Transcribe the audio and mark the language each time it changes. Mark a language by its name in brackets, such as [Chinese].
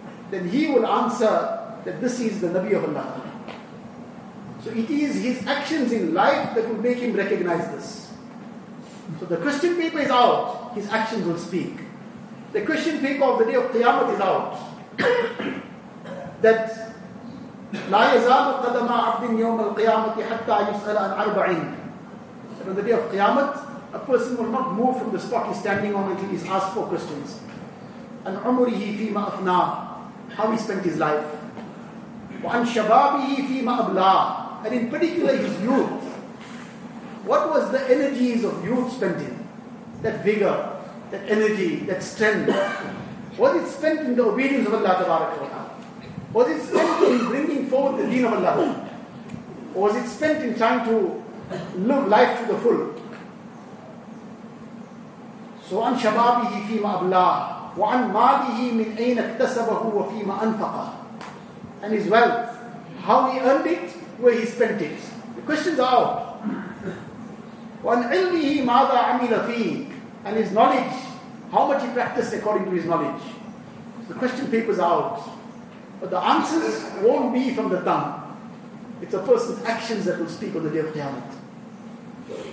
[English] Then he will answer that this is the Nabi of Allah. So it is his actions in life that will make him recognize this. So the question paper is out, his actions will speak. The question paper of the day of Qiyamah is out. [Arabic] That لا يزال قدم عبد يوم القيامة حتى يسأل عن أربعين. [English] And on the day of Qiyamah, a person will not move from the spot he's standing on until he's asked four questions. [Arabic] عن عمره فيما أفنى, [English] how he spent his life. [Arabic] وعن شبابه فيما أبلى, [English] and in particular his youth. What was the energies of youth spent in? That vigor, that energy, that strength. Was it spent in the obedience of Allah Ta'ala? Was it spent in bringing forward the deen of Allah? Or was it spent in trying to live life to the full? [Arabic] So, عن شبابه فيما أبلى وعن ماله من أين اكتسبه وفيما أنفقه. [English] And his wealth, how he earned it, where he spent it. The questions are out. [Arabic] وعن علمه ماذا عمل فيه. [English] And his knowledge, how much he practiced according to his knowledge. So the question paper's out. But the answers won't be from the tongue. It's a person's actions that will speak on the day of Qiyamah.